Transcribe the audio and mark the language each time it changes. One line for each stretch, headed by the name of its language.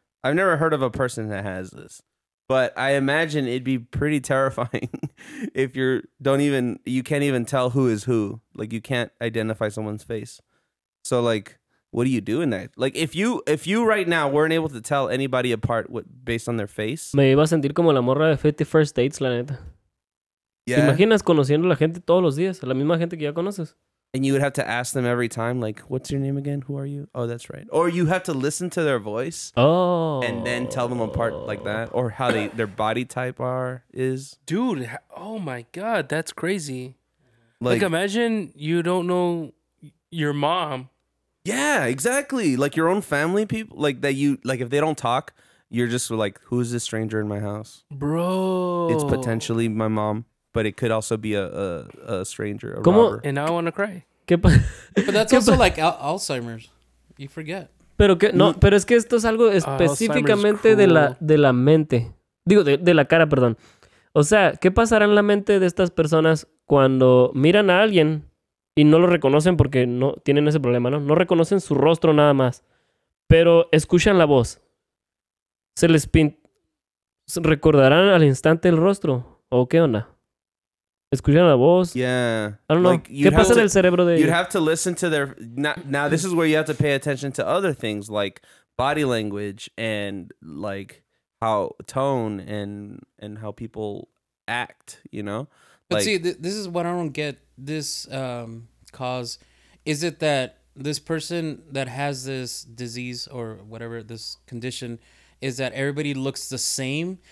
English: I've never heard of a person that has this, but I imagine it'd be pretty terrifying if you can't even tell who is who. Like you can't identify someone's face. So like, what do you do in that? Like if you right now weren't able to tell anybody apart based on their face.
Spanish: Me iba a sentir como la morra de 51st Dates, la neta.
English: Yeah.
Spanish: ¿Te imaginas conociendo a la gente todos los días, la misma gente que ya conoces?
English: And you would have to ask them every time, like, what's your name again? Who are you? Oh, that's right. Or you have to listen to their voice. Oh. And then tell them apart like that. Or how their body type is. Dude, oh my God, that's crazy. Like, imagine you don't know your mom. Yeah, exactly. Like, your own family people. Like, that you, like, if they don't talk, you're just like, who's this stranger in my house? Bro. It's potentially my mom. But it could also be a stranger, a
Spanish: ¿Cómo?
English: Robber. And now I want to cry. But that's also like Alzheimer's. You forget.
Spanish: Pero que, no, pero es que esto es algo específicamente de la mente. Digo, de la cara, perdón. O sea, ¿qué pasará en la mente de estas personas cuando miran a alguien y no lo reconocen porque no tienen ese problema, ¿no? No reconocen su rostro nada más. Pero escuchan la voz. Se les recordarán al instante el rostro. ¿O qué onda? escuchan la voz.
English: Yeah. I don't know. Like,
Spanish: ¿qué pasa en el cerebro de ellos?
English: You have to listen to their... Now, this is where you have to pay attention to other things like body language and like how tone and how people act, you know? But like, see, this is what I don't get. This cause, is it that this person that has this disease or whatever, this condition, is that everybody looks the same?